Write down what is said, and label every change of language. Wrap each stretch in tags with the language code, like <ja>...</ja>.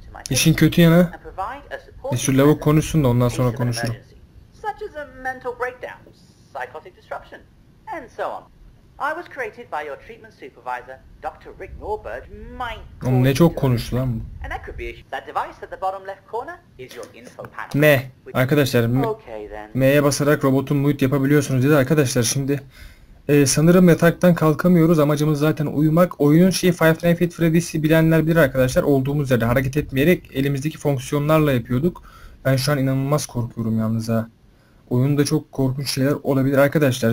<tr>İşin kötü yanı, bir sürü lavuk konuşsun da ondan sonra konuşurum.</tr> <en>Such as a mental breakdown, psychotic disruption, and so on. I was created by your treatment supervisor, Dr. Rick Norberg. My.</en> <tr>Oğlum ne çok konuştu lan bu.</tr> <en>And that could be that device at the bottom left corner is your info panel. M.</en> <tr>Arkadaşlar, M'ye basarak robotun mute yapabiliyorsunuz dedi arkadaşlar şimdi. Sanırım yataktan kalkamıyoruz. Amacımız zaten uyumak. Oyunun şeyi Five Nights at Freddy's'i bilenler bilir arkadaşlar. Olduğumuz yerde hareket etmeyerek elimizdeki fonksiyonlarla yapıyorduk. Ben şu an inanılmaz korkuyorum yalnız ha. Oyunda çok korkunç şeyler olabilir arkadaşlar.</tr>